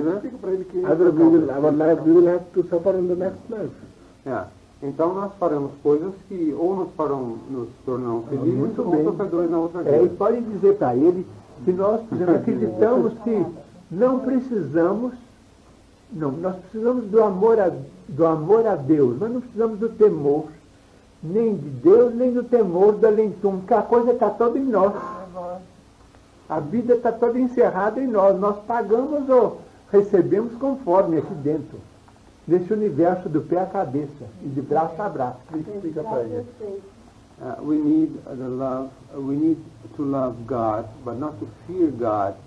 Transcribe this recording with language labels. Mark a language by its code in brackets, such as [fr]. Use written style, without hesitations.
[en] We will have to suffer in the next life. [pt] Então nós faremos coisas que ou nos tornam felizes ou sofredores na outra vida. E pode dizer para ele que nós acreditamos que nós precisamos do amor a Deus, mas não precisamos do temor, nem de Deus, nem do temor do além-túmulo, porque a coisa está toda em nós. A vida está toda encerrada em nós. Nós pagamos ou recebemos conforme aqui dentro. Nesse universo do pé à cabeça e de braço a braço, que explica para ele. [en] We need the love. We need to love God, but not to fear God.